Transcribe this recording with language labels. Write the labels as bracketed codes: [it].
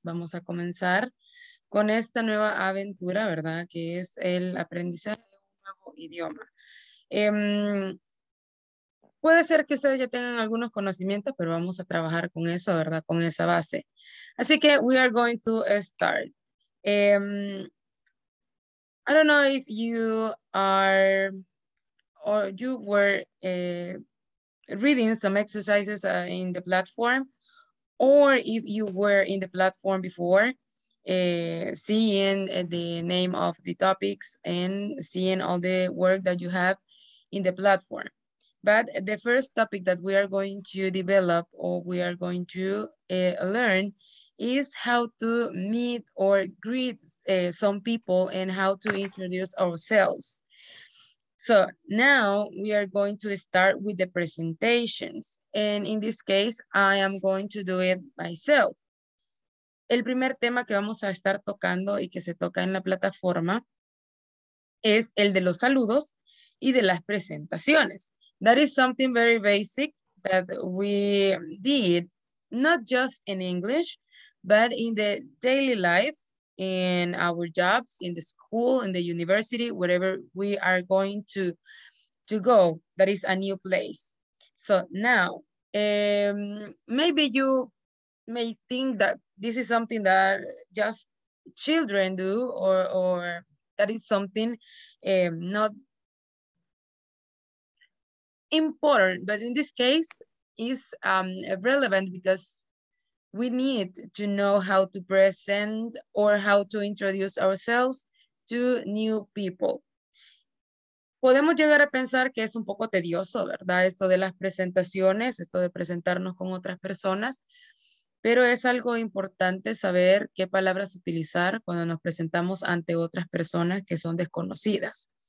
[es] Vamos a comenzar con esta nueva aventura, ¿verdad?, que es el aprendizaje de un nuevo idioma. Puede ser que ustedes ya tengan algunos conocimientos, pero vamos a trabajar con eso, ¿verdad?, con esa base. Así que [en] we are going to start. I don't know if you are or you were reading some exercises in the platform, or if you were in the platform before, seeing the name of the topics and seeing all the work that you have in the platform. But the first topic that we are going to develop or we are going to learn is how to meet or greet some people and how to introduce ourselves. So now we are going to start with the presentations. And in this case, I am going to do it myself. [es] El primer tema que vamos a estar tocando y que se toca en la plataforma es el de los saludos y de las presentaciones. [en] That is something very basic that we did, not just in English, but in the daily life, in our jobs, in the school, in the university, wherever we are going to go, that is a new place. So now, maybe you may think that this is something that just children do, or that is something not important, but in this case is relevant because we need to know how to present or how to introduce ourselves to new people. [es] Podemos llegar a pensar que es un poco tedioso, ¿verdad? Esto de las presentaciones, esto de presentarnos con otras personas, pero es algo importante saber qué palabras utilizar cuando nos presentamos ante otras personas que son desconocidas.